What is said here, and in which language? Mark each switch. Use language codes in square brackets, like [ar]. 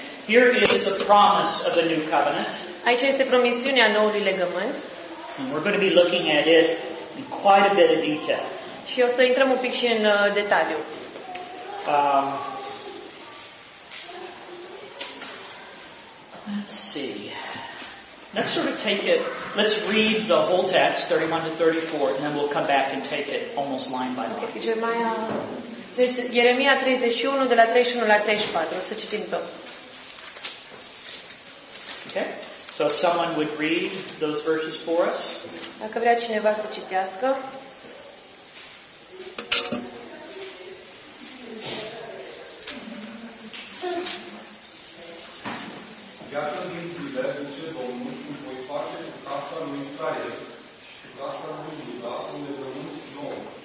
[en] Here is the promise of the new covenant. [ro] Aici este promisiunea noului legământ. [en] And we're going to be looking at it in quite a bit of detail. [ro] Și o să intrăm un pic și în detaliu. [en] Let's see. Let's sort of take it, let's read the whole text, 31 to 34, and then we'll come back and take it almost line by line. [ro] Okay, Jeremiah, deci, Ieremia 31, de la 31 la 34, o să citim tot. [en] Okay, so if someone would read those verses for us. [ro] Dacă vrea cineva să citească. Iată din Iudea, zice Domnul, îmi voi face casa lui Israel și casa lui Iuda un legământ nou.